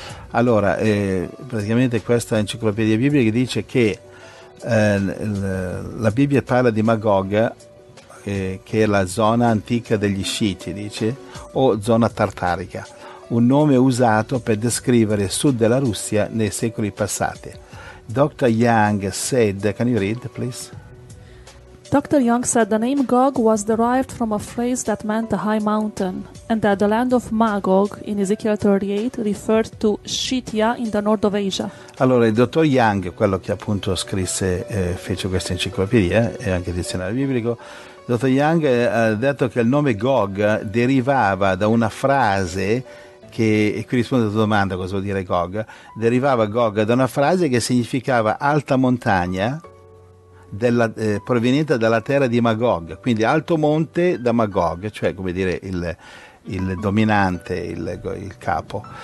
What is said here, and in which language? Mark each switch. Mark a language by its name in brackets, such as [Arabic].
[Italian] Allora, praticamente questa enciclopedia biblica dice che la Bibbia parla di Magog, che è la zona antica degli Sciti, dice, o zona tartarica, un nome usato per descrivere il sud della Russia nei secoli passati. [English] Dr. Young said, can you read, please? Dr. Young said the name Gog was derived from a phrase that meant a high mountain, and that the land of Magog in Ezekiel 38 referred to Scythia in the north of Asia. [Italian] Allora, il dottor Young, quello che appunto scrisse, fece questa enciclopedia e anche il dizionario biblico, il dottor Young ha detto che il nome Gog derivava da una frase che, e qui risponde alla tua domanda, cosa vuol dire Gog? Derivava Gog da una frase che significava alta montagna, proveniente dalla terra di Magog, quindi alto monte da Magog, cioè come dire il dominante, il capo.